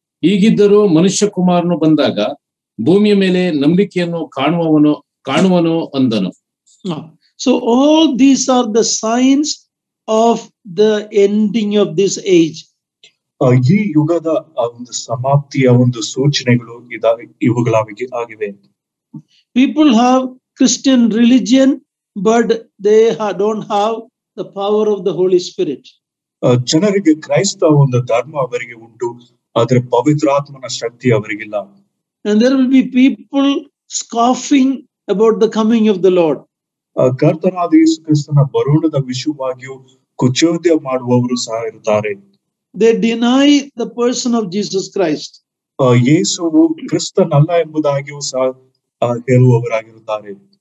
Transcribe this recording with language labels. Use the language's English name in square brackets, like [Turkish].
[Kannada] ಈಗಿದ್ದರೂ ಮನುಷ್ಯ ಕುಮಾರನು ಬಂದಾಗ ಭೂಮಿಯ ಮೇಲೆ ನಂಬಿಕೆಯನ್ನು ಕಾಣುವನು ಅಂದನು. [English] So all these are the signs of the ending of this age. [Kannada] ಈ ಯುಗದ ಒಂದು ಸಮಾಪ್ತಿಯ ಒಂದು ಸೂಚನೆಗಳು ಇದಾವೆ, ಇವುಗಳಾಗಿವೆ. [English] People have Christian religion, but they don't have the power of the Holy Spirit. [Kannada] ಜನರಿಗೆ ಕ್ರೈಸ್ತ ಒಂದು ಧರ್ಮ ಅವರಿಗೆ ಉಂಟು, ಆದರೆ ಪವಿತ್ರಾತ್ಮನ ಶಕ್ತಿ ಅವರಿಗಿಲ್ಲ. [English] And there will be people scoffing about the coming of the Lord. [Kannada] ಕರ್ತನಾದ ಯೇಸು ಕ್ರಿಸ್ತನ ಬರೋಣದ ವಿಷಯವಾಗಿಯೂ ಕುಚೋದ್ಯ ಮಾಡುವವರು ಸಹ ಇರುತ್ತಾರೆ. [English] They deny the person of Jesus Christ. [Kannada] ಯೇಸುವು ಕ್ರಿಸ್ತನಲ್ಲ ಎಂಬುದಾಗಿಯೂ ಸಹ ಹೇಳುವವರಾಗಿರುತ್ತಾರೆ.